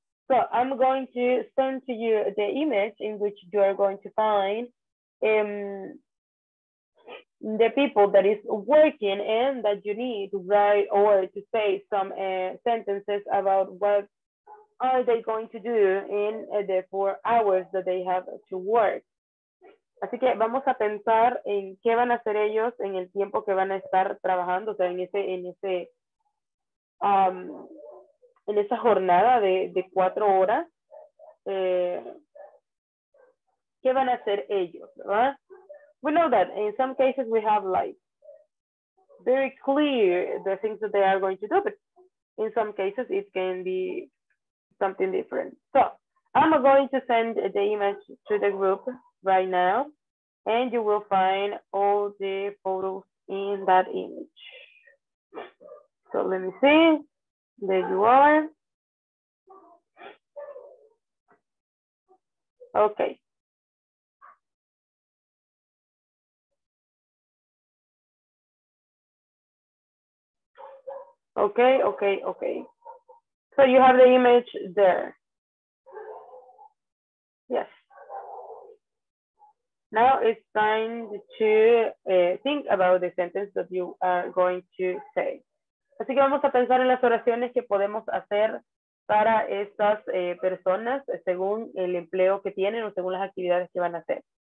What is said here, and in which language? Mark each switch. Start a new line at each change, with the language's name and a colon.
English: So I'm going to send to you the image in which you are going to find the people that is working and that you need to write or to say some sentences about what are they going to do in the 4 hours that they have to work.
Spanish: Así que vamos a pensar en qué van a hacer ellos en el tiempo que van a estar trabajando, o sea, en esa jornada de 4 horas, ¿qué van a hacer ellos? ¿Verdad?
English: We know that in some cases we have like very clear the things that they are going to do, but in some cases it can be something different. So I'm going to send the image to the group right now, and you will find all the photos in that image. So let me see. There you are. Okay. Okay, okay, okay. So you have the image there. Yes. Now it's time to think about the sentence that you are going to say.
Spanish: Así que vamos a pensar en las oraciones que podemos hacer para estas personas según el empleo que tienen o según las actividades que van a hacer.